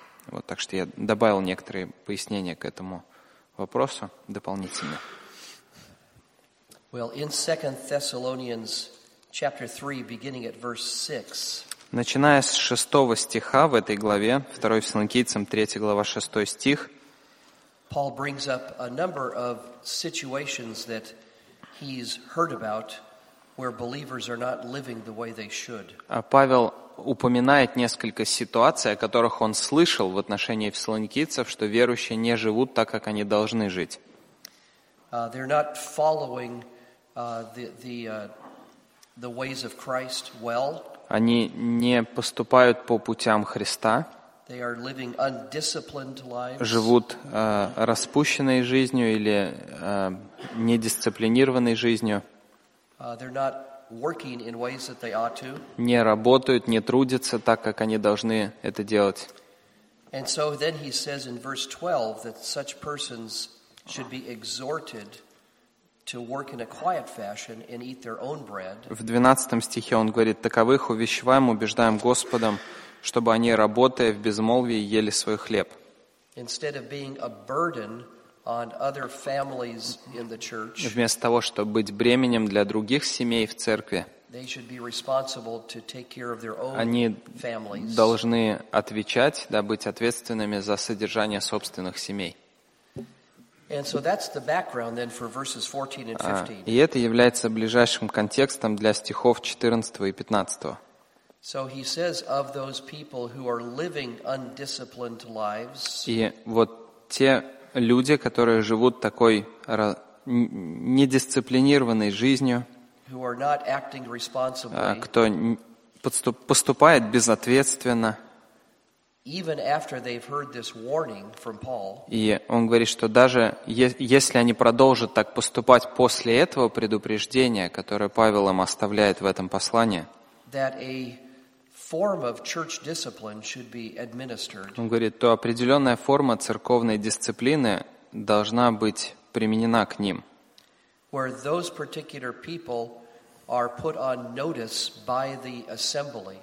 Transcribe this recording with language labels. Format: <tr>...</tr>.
<ru>Вот, так что я добавил некоторые пояснения к этому вопросу дополнительно.</ru> <en>Well, in 2 Thessalonians chapter 3, beginning at verse 6.</en> <ru>Начиная с 6 стиха в этой главе, 2 Фессалоникийцам, 3 глава, 6 стих,</ru> <en>Paul brings up a number of situations that he's heard about where believers are not living the way they should.</en> <ru>Павел упоминает несколько ситуаций, о которых он слышал в отношении фессалоникийцев, что верующие не живут так, как они должны жить.</ru> <en>They're not following the ways of Christ well.</en> <ru>Они не поступают по путям Христа.</ru> <en>They are living undisciplined lives.</en> <ru>Живут распущенной жизнью или недисциплинированной жизнью.</ru> <en>They're not working in ways that they ought to.</en> <ru>Не работают, не трудятся так, как они должны это делать.</ru> <en>And so then he says in verse 12 that such persons should be exhorted to work in a quiet fashion and eat their own bread.</en> <ru>В 12 стихе он говорит: таковых увещеваем, убеждаем Господом, чтобы они, работая в безмолвии, ели свой хлеб.</ru> <en>Instead of being a burden on other families in the church,</en> <ru>вместо того, чтобы быть бременем для других семей в церкви,</ru> <en>they should be responsible to take care of their own families.</en> <ru>Они должны отвечать, да, быть ответственными за содержание собственных семей.</ru> <en>And so that's the background then for verses 14 and 15.</en> <ru>И это является ближайшим контекстом для стихов 14 и 15.</ru> <en>So he says of those people who are living undisciplined lives.</en> <ru>И вот те люди, которые живут такой недисциплинированной жизнью,</ru> <en>who are not acting responsibly,</en> <ru>кто поступает безответственно,</ru> <en>even after they've heard this warning from Paul.</en> <ru>И он говорит, что даже если они продолжат так поступать после этого предупреждения, которое Павел им оставляет в этом послании,</ru> <en>that a form of church discipline should be administered.</en> <ru>Он говорит, то определенная форма церковной дисциплины должна быть применена к ним.</ru> <en>Where those particular people are put on notice by the assembly.</en>